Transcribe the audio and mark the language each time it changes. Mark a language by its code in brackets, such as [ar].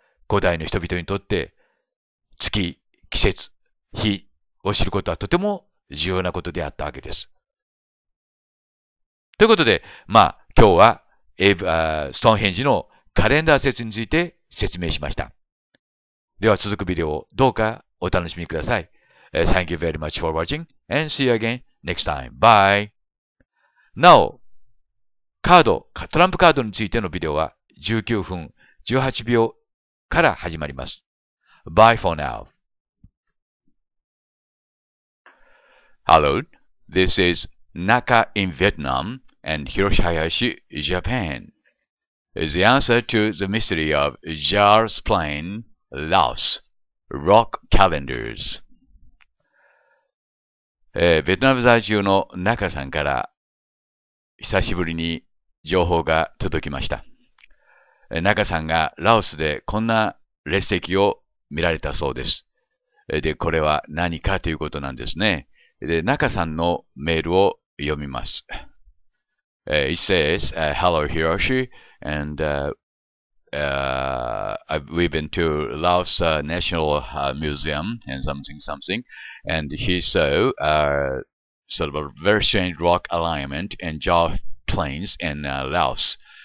[ja] 古代の人々にとって、月、季節、日を知ることはとても重要なことであったわけです。ということで、まあ、今日は、ストーンヘンジのカレンダー説について説明しました。では続くビデオをどうかお楽しみください。 [en] Thank you very much for watching and see you again next time. Bye! [ja] なお、カード、トランプカードについてのビデオは19分18秒から始まります。 [en] Bye for now! Hello, this is Naka in Vietnam. And Hiroshi Hayashi, Japan. The answer to the mystery of Jar's plane, Laos, rock calendars. [ja] ベトナム在住の中さんから久しぶりに情報が届きました。中さんがラオスでこんな列石を見られたそうです。で、これは何かということなんですね。で、中さんのメールを読みます。 [en] It says, hello Hiroshi, and we've been to Laos National Museum and something, and he saw sort of a very strange rock alignment and jaw planes in Laos.